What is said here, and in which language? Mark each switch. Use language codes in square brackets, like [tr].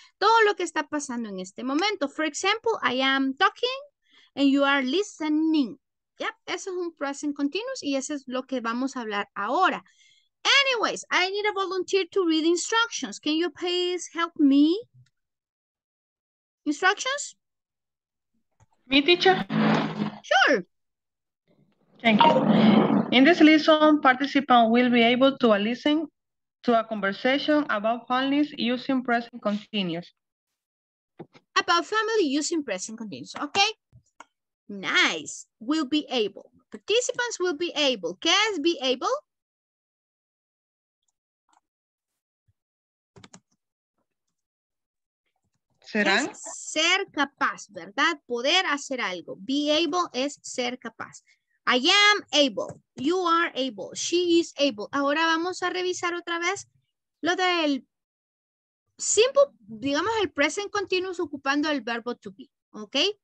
[es] Todo lo que está pasando en este momento. [en] For example, I am talking and you are listening. [es] Yep, eso es un present continuous y eso es lo que vamos a hablar ahora. [en] Anyways, I need a volunteer to read instructions. Can you please help me? Instructions? Me, teacher? Sure. Thank you. In this lesson, participants will be able to listen to a conversation about families using present continuous. About family using present continuous, okay? Nice. Will be able. Participants will be able. [es] ¿Qué es [en] be able? [es] ¿Serán? Es ser capaz, ¿verdad? Poder hacer algo. Be able es ser capaz. [en] I am able, you are able, she is able. [es] Ahora vamos a revisar otra vez lo del simple, digamos el present continuous ocupando el verbo to be, ¿ok?